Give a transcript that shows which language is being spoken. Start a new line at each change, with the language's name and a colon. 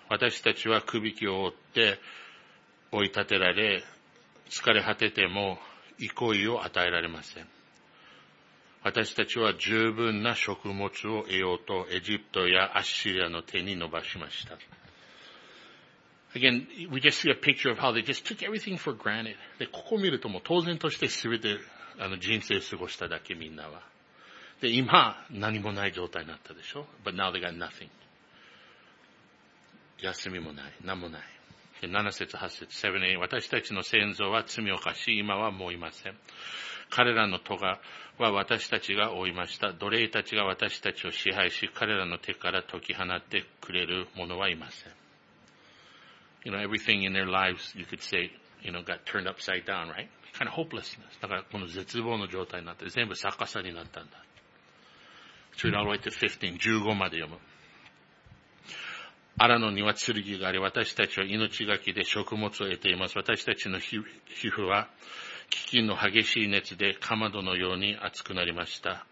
Japanese: 私たちは首輝きを追って追い立てられ、疲れ果てても憩いを与えられません。私たちは十分な食物を得ようとエジプトやアッシリアの手に伸ばしました。
English: Again, we just see a picture of how they just took everything for granted.
Japanese: で、ここを見るともう当然として全て人生を過ごしただけみんなは。で、今、何もない状態になったでしょ ?
English: But now they got nothing.
Japanese: 休みもない。何もない。で、7節、8節、7、8、私たちの先祖は罪を犯し、今はもういません。彼らの咎は私たちが負いました。奴隷たちが私たちを支配し、彼らの手から解き放ってくれる者はいません。
English: You know, everything in their lives, you could say, you know, got turned upside down, right? Kind of hopelessness.
Japanese: だから、この絶望の状態になって、全部逆さになったんだ。
English: Turn all the way to 15,
Japanese: 15まで読む。アラノには剣があり、私たちは命がけで食物を得ています。私たちの皮膚は、飢饉の激しい熱でかまどのように熱くなりました。